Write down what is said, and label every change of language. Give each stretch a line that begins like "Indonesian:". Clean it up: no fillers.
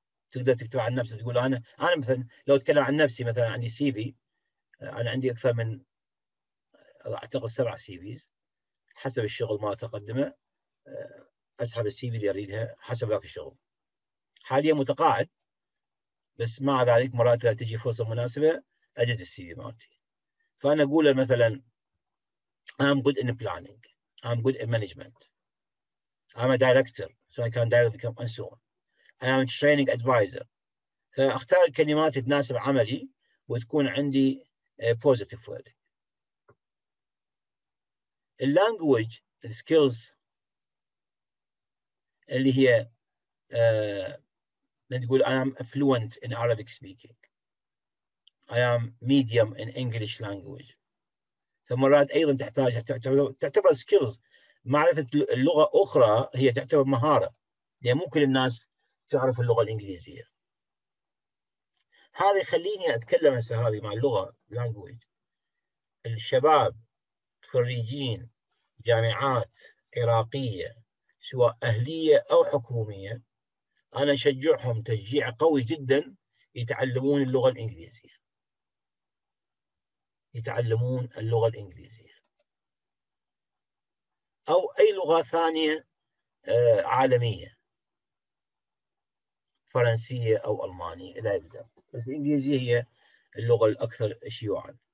Arabic: تقدر تكتب عن نفسك تقول أنا مثلاً لو أتكلم عن نفسي مثلاً عندي CV، أنا عندي أكثر من أعتقد 7 CVs حسب الشغل ما أتقدمه، أسحب CV اللي أريدها حسب ذاك الشغل. حالياً متقاعد، بس مع ذلك مرات تجي فرصة مناسبة أجد CV مالتي. فأنا أقول مثلاً
English: I'm good in planning، I'm good in management، I'm a director so I can direct the company and so on، I'm a training advisor.
Arabic: فأختار كلمات تناسب عملي وتكون عندي
English: positive wording.
Arabic: اللانجوج السكيلز اللي هي تقول
English: I am fluent in Arabic speaking، I am medium in English language.
Arabic: فمرات أيضا تحتاج تعتبر سكيلز، معرفة اللغة أخرى هي تعتبر مهارة، لأن مو كل الناس تعرف اللغة الإنجليزية. هذا يخليني أتكلم هسه هذه مع اللغة language. الشباب خريجين جامعات عراقية سواء أهلية أو حكومية، أنا أشجعهم تشجيع قوي جدا يتعلمون اللغة الإنجليزية، يتعلمون اللغة الإنجليزية أو أي لغة ثانية عالمية، فرنسية أو ألمانية لا يقدر، بس الإنجليزية هي اللغة الأكثر شيوعا.